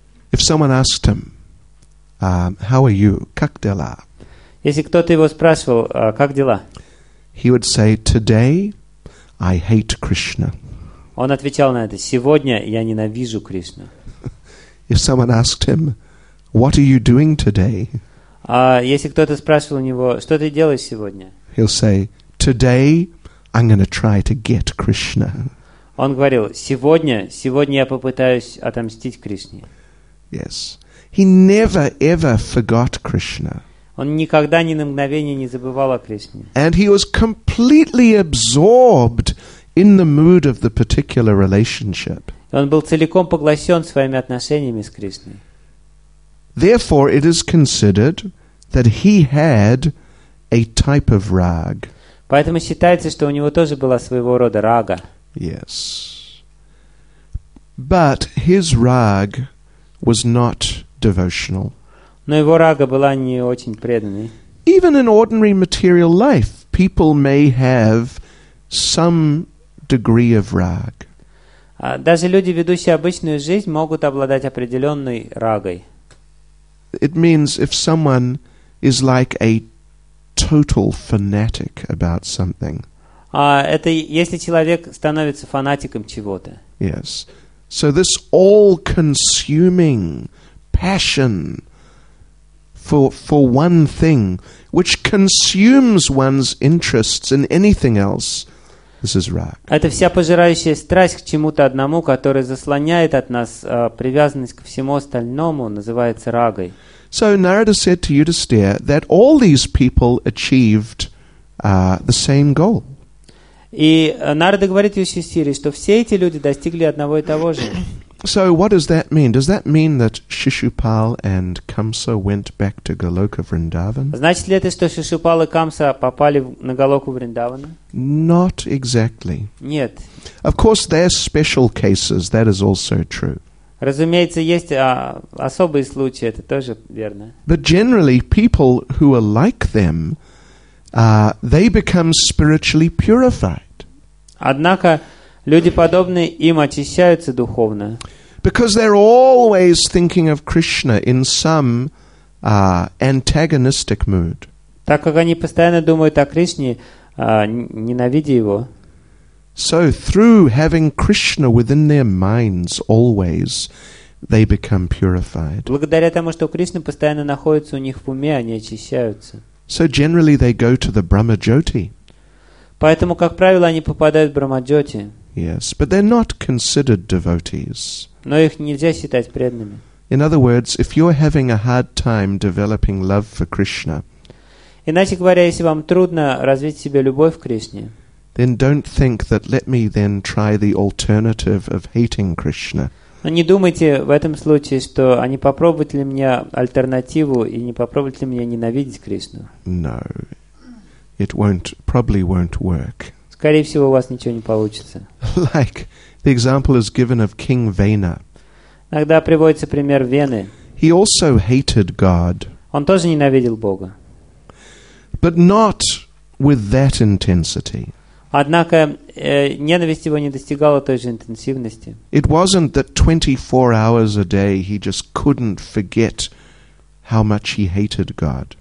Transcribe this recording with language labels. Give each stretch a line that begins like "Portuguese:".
English: If someone asked him, how are you?
Russian: Как дела? Если кто-то его спрашивал, как дела?
English: He would say, today I hate Krishna.
Russian: Он отвечал на это, сегодня я ненавижу Кришну.
English: If someone asked him, what are you doing today?
Russian: Если кто-то спрашивал у него, что ты делаешь сегодня?
English: He'll say, today I'm going to try to get Krishna.
Russian: Он говорил, сегодня я попытаюсь отомстить Кришне.
English: Yes. He never ever forgot Krishna.
Russian: Он никогда ни на мгновение не забывал о Кришне.
English: And he was completely absorbed in the mood of the particular relationship.
Russian: Он был целиком поглощен своими отношениями с Кришной.
English: Therefore, it is considered that he had a type of rag.
Russian: Поэтому считается, что у него тоже была своего рода рага.
English: Yes. But his rag was not devotional.
Russian: Но его рага была не очень преданной.
English: Even in ordinary material life, people may have some degree of rag.
Russian: Даже люди, ведущие обычную жизнь, могут обладать определенной рагой.
English: It means if someone is like a total fanatic about something.
Russian: Это если человек становится фанатиком чего-то.
English: Yes. So this all-consuming passion for one thing, which consumes one's interests in anything else, this is rag.
Russian: Это вся пожирающая страсть к чему-то одному, которая заслоняет от нас привязанность ко всему остальному, называется рагой.
English: So Narada said to Yudhisthira that all these people achieved the same goal.
Russian: И Нарада говорит Юдхиштхире, что все эти люди достигли одного и того же.
English: So what does that mean? Does that mean that Shishupal and Kamsa went back to Goloka Vrindavan?
Russian: Значит ли это, что Шишупал и Камса попали на Голоку Вриндавана?
English: Not exactly.
Russian: Нет.
English: Of course, they're special cases. That is also true.
Russian: Разумеется, есть особые случаи, это тоже верно.
English: But generally, people who are like them, they become spiritually purified.
Russian: Однако, люди подобные им очищаются духовно.
English: Because they're always thinking of Krishna in some antagonistic mood.
Russian: Так как они постоянно думают о Кришне, ненавидя его.
English: So through having Krishna within their minds always, they become purified.
Russian: Благодаря тому, что Кришна постоянно находится у них в уме, они очищаются.
English: So generally they go to the Brahmajyoti.
Russian: Поэтому, как правило, они попадают в Брахмаджоти.
English: Yes, but they're not considered devotees.
Russian: Но их нельзя считать преданными.
English: In other words, if you're having a hard time developing love for Krishna,
Russian: иначе говоря, если вам трудно развить в себе любовь к Кришне,
English: then don't think that let me then try the alternative of hating Krishna.
Russian: Не думайте в этом случае, что они попробуют ли мне альтернативу и не попробуют ли меня ненавидеть Кришну.
English: No, it won't, probably won't work.
Russian: Скорее всего, у вас ничего не получится.
English: Like the example is given of King Vena.
Russian: Иногда приводится пример Вены.
English: He also hated God.
Russian: Он тоже ненавидел Бога.
English: But not with that intensity.
Russian: Однако ненависть его не достигала той же интенсивности.
English: It wasn't that 24 hours a day he just couldn't forget how much he hated God.